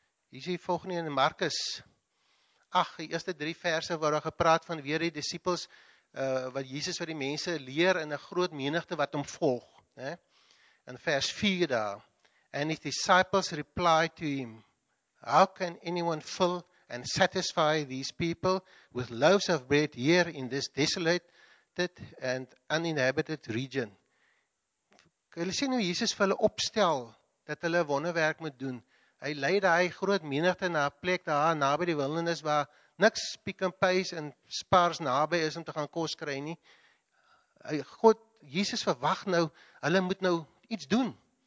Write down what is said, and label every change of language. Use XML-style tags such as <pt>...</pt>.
<af>Hier is die volgende in Markus 8, die eerste 3 verse waar daar gepraat van weer die disippels wat Jesus vir die mense leer in 'n groot menigte wat hom volg, né? In vers 4 daar.</af> <en>And his disciples replied to him, how can anyone fill and satisfy these people with loaves of bread here in this desolate and uninhabited region?</en> <af>Hulle sien hoe Jesus vir hulle opstel dat hulle 'n wonderwerk moet doen. Hy lei daai groot menigte na 'n plek daar naby die wildernis waar niks pick and pace en spars naby is om te gaan kos kry nie. God, Jesus verwag nou, hulle moet nou iets doen.</af>